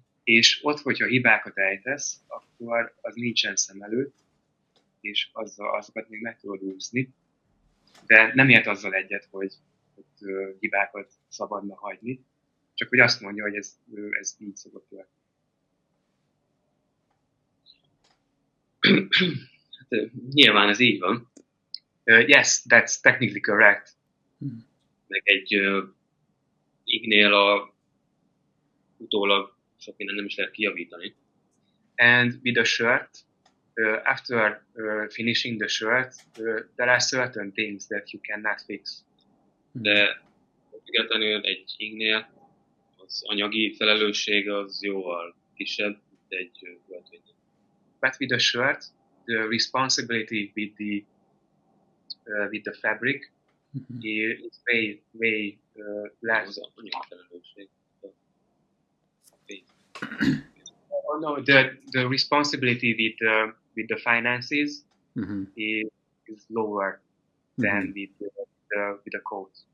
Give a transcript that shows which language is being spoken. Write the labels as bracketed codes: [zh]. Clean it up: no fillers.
[hu] és ott, hogyha hibákat ejtesz, akkor az nincsen szem előtt, és azzal, azokat még meg tudod úszni, de nem ért azzal egyet, hogy hibákat szabadna hagyni, csak hogy azt mondja, hogy ez így szokott történni. Hát, nyilván ez így van. [en] Yes, that's technically correct. [hu] Meg egy ígnél a utólag sok minden nem is lehet kijavítani. [en] And with the shirt, after finishing the shirt, there are certain things that you cannot fix. [hu] De függetlenül egy ígnél az anyagi felelősség az jóval kisebb, mint egy öltöny. [en] But with the shirt, the responsibility with the fabric is way less. [hu] Az anyagi felelősség. [en] Oh no, the responsibility with the finances is lower than with the coat.